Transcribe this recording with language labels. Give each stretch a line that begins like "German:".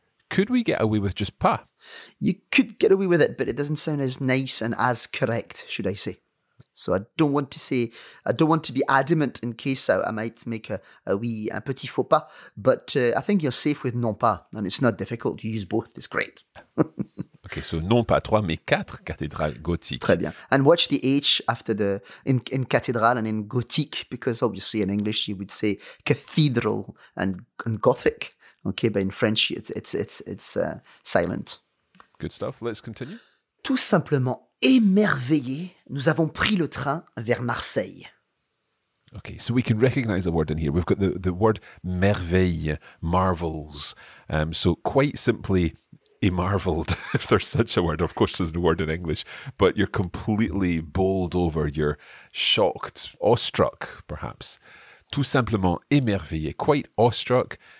English: Could we get away with just pas? You could get away with it, but it doesn't sound as nice and as correct, should I say. So I don't want to say, I don't want to be adamant in case I might make
French: un petit faux pas,
English: but I think you're safe with
French: non pas,
English: and it's not difficult. You use both, it's great. Okay, so
French: non pas trois, mais quatre cathédrales gothiques. Très bien.
English: And watch the H after the in cathédrale and in gothique, because obviously in English you would say cathedral and gothic. Okay, but in French it's silent. Good stuff. Let's continue.
French: Tout simplement émerveillés, nous avons pris le train vers Marseille.
English: Okay, so we can recognize the word in here. We've got the word merveille, marvels. So quite simply, a marveled, if there's such a word. Of course, there's no word in English, but you're completely bowled over. You're shocked, awestruck, perhaps.
French: Tout simplement émerveillé,
English: quite awestruck.